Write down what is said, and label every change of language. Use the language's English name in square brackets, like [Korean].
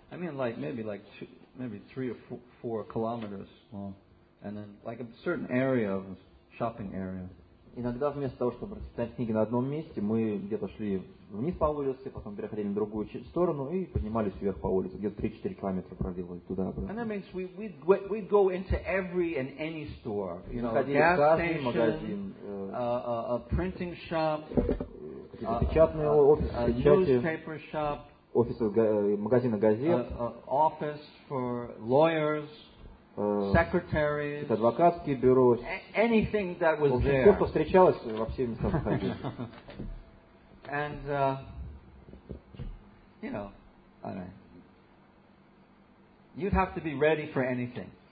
[English] I mean, like maybe three or four kilometers long, and then like a certain area of a shopping area. [Russian] Иногда вместо того, чтобы прочитать книги на одном месте, мы где-то шли вниз по улице, потом переходили на другую сторону и поднимались вверх по улице, где-то 3-4 километра проделывали туда-обратно. [English] And that means we'd go into every and any store, you know, [Russian] заходили [English] gas station, [Russian] магазин, [English] a printing shop, [Russian] печатные офисы, [English] newspaper shop, [Russian] офисы магазина газет, [English] office for lawyers. Secretaries, [Russian] адвокатские бюро, [English] anything that was there. [Russian] Все, что встречалось во все места входили. [English] And you know, I mean, you'd have to be ready for anything.